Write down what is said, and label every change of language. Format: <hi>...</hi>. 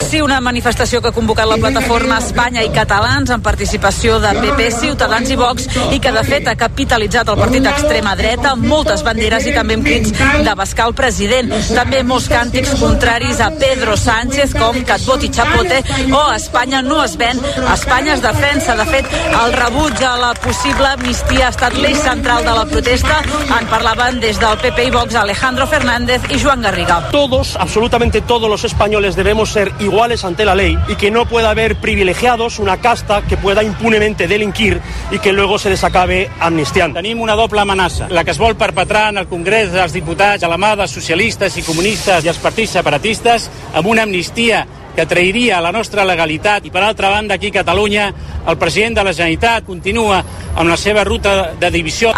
<ca>Sí, una manifestació que ha convocat la plataforma Espanya i Catalans amb participació de PP, Ciutadans i Vox i que, de fet, ha capitalitzat el partit d'extrema dreta amb moltes banderes i també amb crits d'abascar el president. També molts càntics contraris a Pedro Sánchez, com que et voti Chapote o Espanya no es ven, Espanya es defensa. De fet, el rebuig a la possible amnistia ha estat l'eix central de la protesta. En parlaven des del PP i Vox Alejandro Fernández i Joan Garriga.</ca> <es>Todos, absolutamente todos los españoles debemos ser iguales ante la ley y que no pueda haber privilegiados, una casta que pueda impunemente delinquir y que luego se les acabe amnistiando.</es> <ca>Tenim una doble amenaça, la que es vol perpetrar en el Congrés dels Diputats, a la mà de socialistes i comunistes i els partits separatistes amb una amnistia que trairia la nostra legalitat. I per altra banda, aquí a Catalunya, el president de la Generalitat continua amb la seva ruta de divisió.</ca>